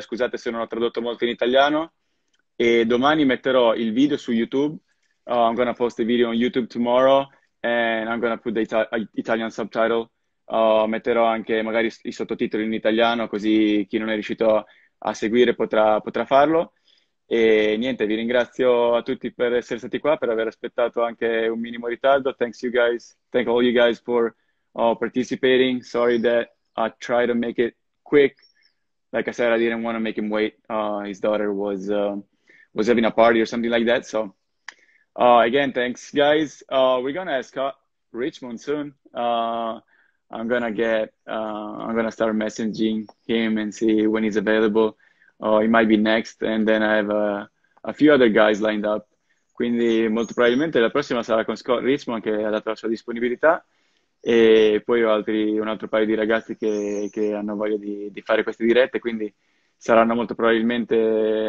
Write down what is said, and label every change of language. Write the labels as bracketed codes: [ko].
[it] Scusate se non ho tradotto molto in italiano. E domani metterò il video su YouTube. [en] I'm gonna post the video on YouTube tomorrow and I'm gonna put the Italian subtitle. [it] Metterò anche magari i sottotitoli in italiano, così chi non è riuscito a seguire potrà farlo. E niente, vi ringrazio a tutti per essere stati qua, per aver aspettato anche un minimo ritardo. [en] Thanks you guys. Thank all you guys for participating. Sorry that I tried to make it quick. Like I said, I didn't want to make him wait. His daughter was having a party or something like that. So again, thanks guys. We're gonna ask Richmond soon. I'm gonna start messaging him and see when he's available. He might be next, and then I have a few other guys lined up. [it] Quindi molto probabilmente la prossima sarà con Scott Richmond che ha dato la sua disponibilità e poi ho un altro paio di ragazzi che hanno voglia di fare queste dirette, quindi saranno molto probabilmente.